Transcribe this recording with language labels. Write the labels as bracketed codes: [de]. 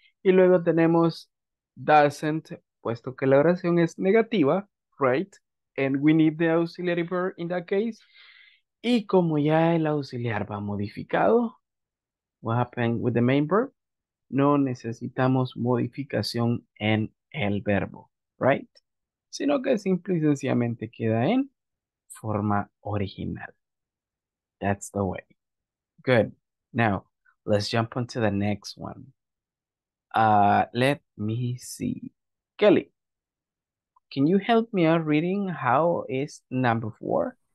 [es] Y luego tenemos doesn't, puesto que la oración es negativa, right? [en] And we need the auxiliary verb in that case. [es] Y como ya el auxiliar va modificado, [en] what happened with the main verb? [es] No necesitamos modificación en el verbo, right? Sino que simple y sencillamente queda en forma original. [en] That's the way. Good. Now, let's jump on to the next one. Let me see. Kelly, can you help me out reading how is number 4?